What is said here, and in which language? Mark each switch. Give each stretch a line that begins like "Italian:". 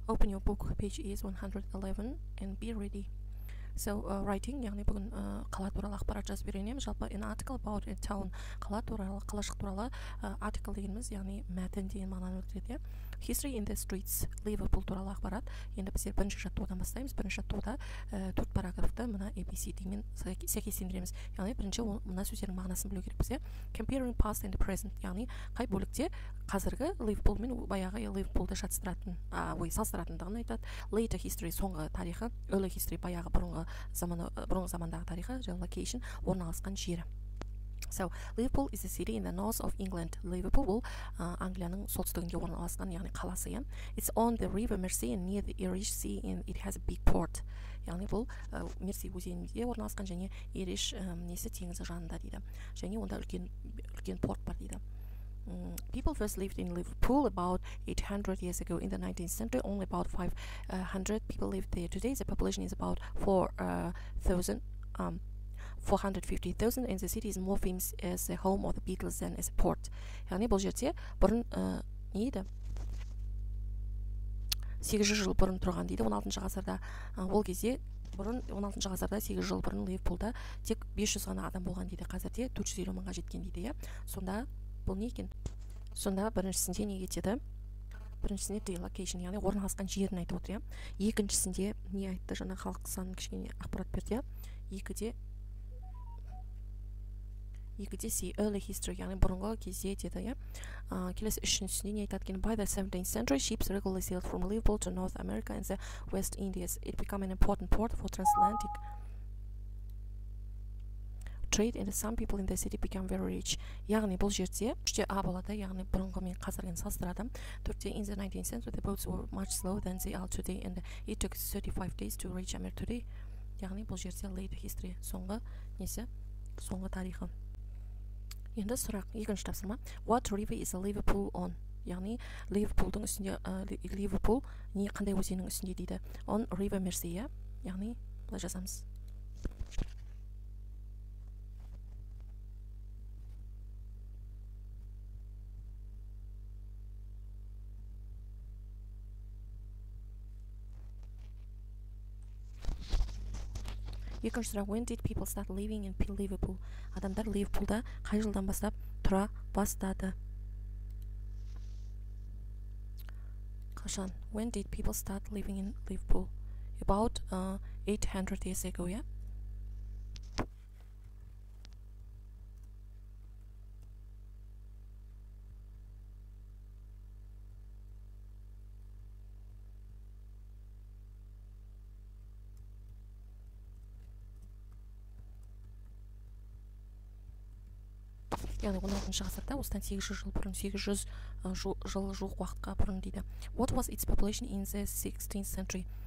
English: open your book, page is 111, and be ready.
Kazakh: So writing, яғни бүгін қала туралы ақпарат жазып беремін. Жалпы
English: in article about a town,
Kazakh: қала туралы, қалашық туралы article дегеніміз, яғни мәтін деген мағынаны білдіреді.
English: History in the streets, Liverpool
Kazakh: туралы ақпарат. Енді біз бірінші жаттығудан бастаймыз. Бірінші жаттығуда 4 параграфты мына ABCD-мен сәйкестендіреміз. Яғни бірінші мына сөздердің мағынасын білу керекпіз.
English: Comparing past and present,
Kazakh: яғни қай бөлікте қазіргі Liverpool мен баяғы Liverpool-ды шатыстыратын, ой, салыстыратындығын айтады. Later history, соңғы тарихы, early history, баяғы бұрынғы замандағы тарихы, location, орналасқан жері.
English: So, Liverpool is a city in the north of England.
Kazakh: Liverpool бұл Англияның солтүстігінде орналасқан, яғни қаласы.
English: It's on the river Mersey and near the Irish Sea and it has a big port.
Kazakh: Яғни бұл Мерси өзенінде орналасқан және Ириш несі теңізі жанында дейді. Және онда үлкен порт бар дейді.
English: People first lived in Liverpool about 800 years ago in the 19th century. Only about 500 people lived there. Today, the population is about 450,000, and the city is more famous as a home of the Beatles than as a port.
Kazakh: Яғни бұл жерде бұрын не еді? 800 жыл бұрын тұрған дейді, 16-шы ғасырда. Ол кезде бұрын 16-шы ғасырда 800 жыл бұрын Liverpool-да тек 500 ғана адам болған дейді. Қазірде 450 мыңға жеткен дейді, иә. Сонда бұл не екен? Сонда біріншісінде не кетеді? Біріншісінде relocation, яғни орналасқан жерін айтып отыр, иә. Екіншісінде не айтты? Жаңа халық санын кішкене ақпарат берді, иә. 2-де early history, яғни бұрынғы кезде деді, иә. Келесі үшіншісінде не айтады екен?
English: By the 17th century, ships regularly sailed from Liverpool to North America and the West Indies. It became an important port for transatlantic trade and some people in the city became very rich.
Kazakh: Яғни бұл жерде үште А болады, яғни бұрынғы мен қазіргіні салыстырады.
English: Төртте, in the 19th century, the boats were much slower than they are today and it took 35 days to reach America today.
Kazakh: Яғни бұл жерде late history, соңғы несі, соңғы тарихы. Енді сұрақ, екінші тапсырма.
English: What river is Liverpool on?
Kazakh: Яғни Liverpool-дың үстінде, Liverpool не қандай өзенің үстінде дейді.
English: On River Mersey,
Kazakh: яғни бұл жазамыз. Екінші сұрақ,
English: when did people start living in Liverpool?
Kazakh: Адамдар Liverpool-да қай жылдан бастап тұра бастады? Қашан?
English: When did people start living in Liverpool? About 800 years ago, yeah?
Kazakh: Яғни 16-шы ғасырда осыдан 800 жыл бұрын, 800 жыл жуық уақытқа бұрын дейді.
English: What was its population in the 16th century?